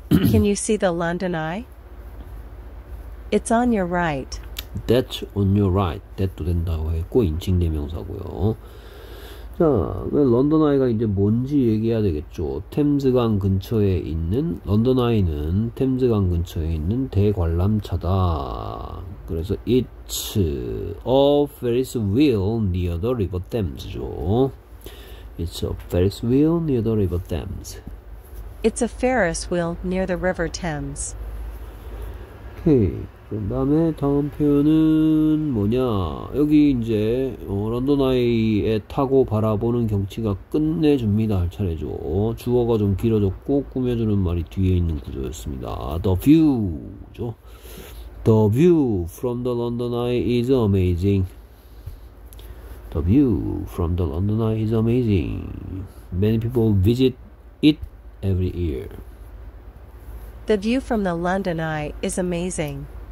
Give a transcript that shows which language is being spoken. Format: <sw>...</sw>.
<en>Can you see the London Eye? It's on your right. That's on your right. That도</en> <ko>된다고 했고 인칭 대명사고요. 자, 왜 런던 아이가 이제 뭔지 얘기해야 되겠죠. 템즈강 근처에 있는, 런던 아이는 템즈강 근처에 있는 대관람차다.</ko> <en>그래서 It's a Ferris wheel near the River Thames죠. It's a Ferris wheel near the River Thames. It's a Ferris wheel near the River Thames.</en> <ko>오케이. 그 다음에 다음 표현은 뭐냐. 여기 이제 런던 아이에 타고 바라보는 경치가 끝내줍니다. 할 차례죠. 주어가 좀 길어졌고 꾸며주는 말이 뒤에 있는 구조였습니다.</ko> <en>The view죠. The view from the London Eye is amazing. The view from the London Eye is amazing. Many people visit it every year. The view from the London Eye is amazing.</en>